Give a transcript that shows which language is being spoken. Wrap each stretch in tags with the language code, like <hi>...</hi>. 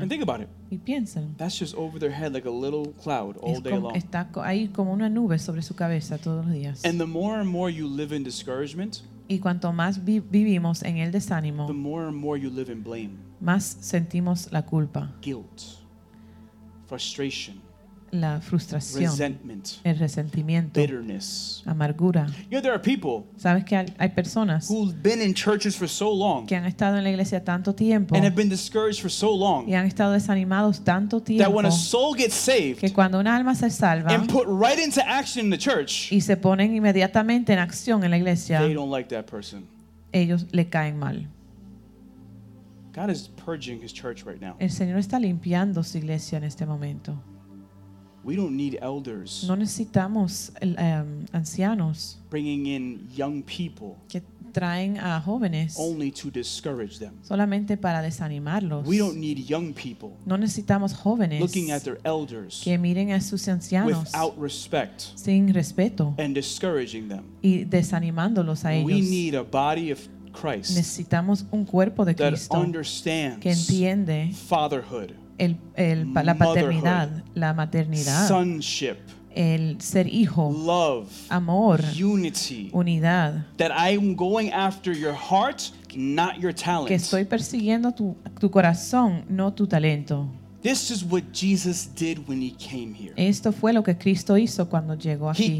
<en>And think about it.</en> <es>Y piénsenlo.</es> <en>That's just over their head like a little cloud all day long.</en> <es>Está ahí como una nube sobre su cabeza todos los días.</es> <en>And the more and more you live in discouragement,</en> <es>y cuanto más vivimos en el desánimo,</es> <en>the more and more you live in blame.</en> <es>Más sentimos la culpa.</es> <en>Guilt. Frustration.</en> <es>La frustración,</es> <en>resentment,</en> <es>el resentimiento,</es> <en>bitterness,</en> <es>amargura.</es> <en>You know, there are people,</en> <es>sabes que hay personas,</es> <en>who've been in churches for so long,</en> <es>que han estado en la iglesia tanto tiempo,</es> <en>and have been discouraged for so long,</en> <es>y han estado desanimados tanto tiempo,</es> <en>that when a soul gets saved,</en> <es>que cuando un alma se salva,</es> <en>and put right into action in the church,</en> <es>y se ponen inmediatamente en acción en la iglesia,</es> <en>they don't like that person.</en> <es>Ellos le caen mal.</es> <en>God is purging His church right now.</en> <es>El Señor está limpiando su iglesia en este momento.</es> <en>We don't need elders.</en> <es>No necesitamos ancianos.</es> <en>Bringing in young people.</en> <es>Que traen a jóvenes.</es> <en>Only to discourage them.</en> <es>Solamente para desanimarlos.</es> <en>We don't need young people.</en> <es>No necesitamos jóvenes.</es> <en>Looking at their elders.</en> <es>Que miren a sus ancianos.</es> <en>Without respect.</en> <es>Sin respeto.</es> <en>And discouraging them.</en> <es>Y desanimándolos a ellos.</es> <en>We need a body of Christ.</en> <es>Necesitamos un cuerpo de</es> <en>that</en> <es>Cristo.</es> <en>Understands</en> <es>que entiende.</es> <en>Fatherhood.</en> <es>La paternidad, la maternidad,</es> <en>sonship,</en> <es>el ser hijo,</es> <en>love,</en> <es>amor,</es> <en>unity,</en> <es>unidad.</es> <en>That I'm going after your heart, not your talent.</en> <es>Que estoy persiguiendo tu corazón, no tu talento.</es> <en>This is what Jesus did when he came here.</en> <es>Esto fue lo que Cristo hizo cuando llegó aquí.</es>